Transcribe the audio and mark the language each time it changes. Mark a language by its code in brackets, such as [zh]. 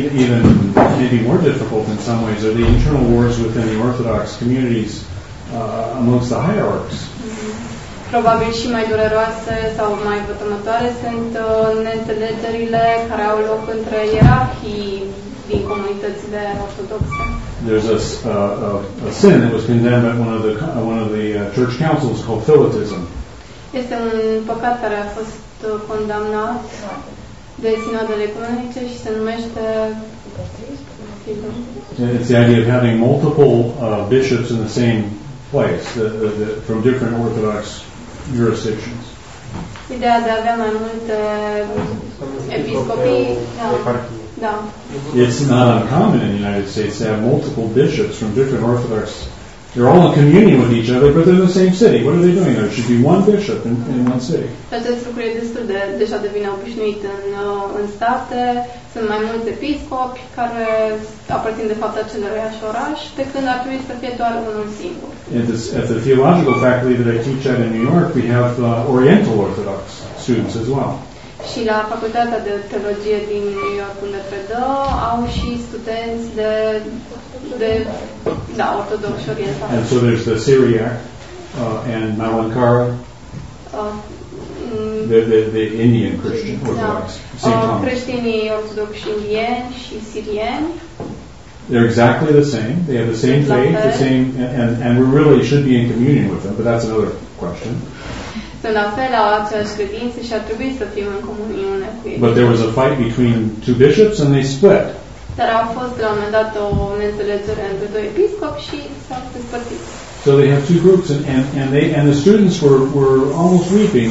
[en] I think even more difficult in some ways are the internal wars within the Orthodox communities amongst the hierarchs. [ro] Probabil și mai dureroase sau mai vătămătoare sunt neînțelegerile care au loc între ierarhii din comunitățile ortodoxe. [en] There's a sin that was condemned at one of the church councils called philatism. [ro] Este un păcat care a fost condamnat de sinodele comunice și se numește [en] philatism. It's the idea of having multiple bishops in the same place, the from different Orthodox jurisdictions. [ro] Ideea de a avea mai multe episcopii. [en] No. It's not uncommon in the United States to have multiple bishops from different Orthodox. They're all in communion with each other, but they're in the same city. What are they doing? There should be one bishop in one city. [ro] Acest lucru e destul de deja devine obișnuit în state. Sunt mai mulți episcopi care aparțin de fapt același oraș, pe când ar trebui să fie doar unul singur. [en] At the theological faculty that I teach at in New York, we have Oriental Orthodox students as well. [ro] Și la Facultatea de Teologie din New York, unde predă, au și studenți de ortodoxi orientali. [en] And so there's the Syriac and Malankara. The Indian Christian Orthodox. [ro] Da. Creștinii ortodoxi indieni și sirieni. [en] They're exactly the same. They have the same faith, the same, and we really should be in communion with them, but that's another question. [ro] Sunt la fel, au aceeași credință și ar trebui să fim în comuniune cu ei. [en] But there was a fight between two bishops and they split. [ro] Dar a fost la un moment dat o neînțelegere între doi episcopi și s-au despărțit. [en] So they have two groups and the students were almost weeping.